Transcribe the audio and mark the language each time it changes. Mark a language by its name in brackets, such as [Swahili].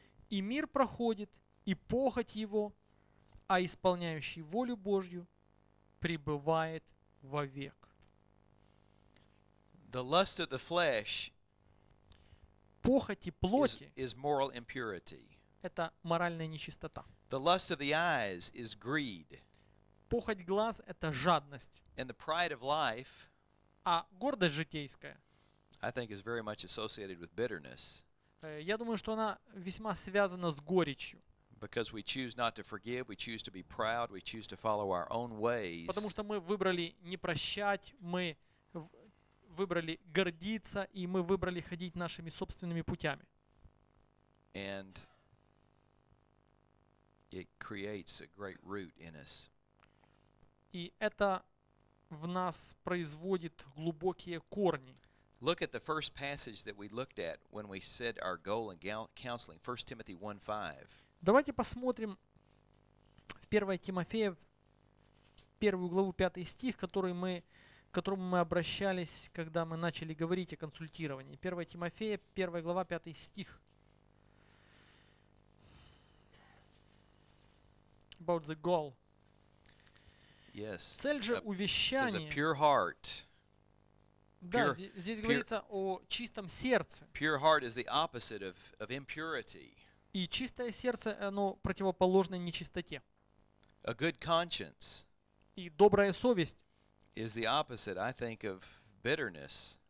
[Russian] И мир проходит, и похоть его, а исполняющий волю Божью, пребывает вовек. [English] The lust of the flesh [Russian] похоти плоти [English] is moral impurity. [Russian] Это моральная нечистота. [English] The lust of the eyes is greed. [Russian] Похоть глаз — это жадность. [English] And the pride of life, [Russian] а гордость житейская, [English] I think is very much associated with bitterness. [Russian] Я думаю, что она весьма связана с горечью. [English] Because we choose not to forgive, we choose to be proud, we choose to follow our own ways. [Russian] Потому что мы выбрали не прощать, мы выбрали гордиться, и мы выбрали ходить нашими собственными путями. [English] And it creates a great root in us. [Russian] И это в нас производит глубокие корни. [English] Look at the first passage that we looked at when we said our goal in counseling, 1 Timothy 1:5. [Russian] Давайте посмотрим в 1 Тимофея, в 1 главу, 5 стих, к которому мы обращались, когда мы начали говорить о консультировании. 1 Тимофея, 1 глава, 5 стих. [English] About the goal. Yes. [Russian] Цель же увещания. [English] It says a pure heart. [Russian] Да, здесь говорится о чистом сердце. [English] Pure heart is the opposite of impurity. [Russian] И чистое сердце, оно противоположно нечистоте. [English] A good conscience. [Russian] И добрая совесть. [English] Is the opposite, I think, of bitterness.